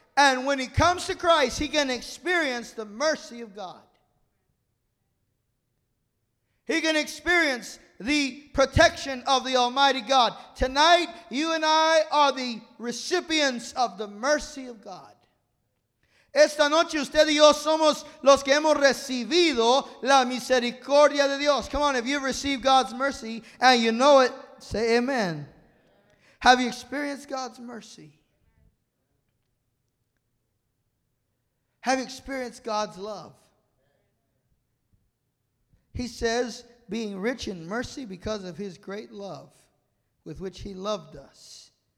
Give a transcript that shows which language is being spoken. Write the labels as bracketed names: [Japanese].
[English] And when he comes to Christ, he can experience the mercy of God. He can experience the protection of the Almighty God. Tonight, you and I are the recipients of the mercy of God. [Spanish] Esta noche usted y yo somos los que hemos recibido la misericordia de Dios. [English] Come on, if you've received God's mercy and you know it, say amen. Have you experienced God's mercy? Have experienced God's love. He says, being rich in mercy because of his great love with which he loved us.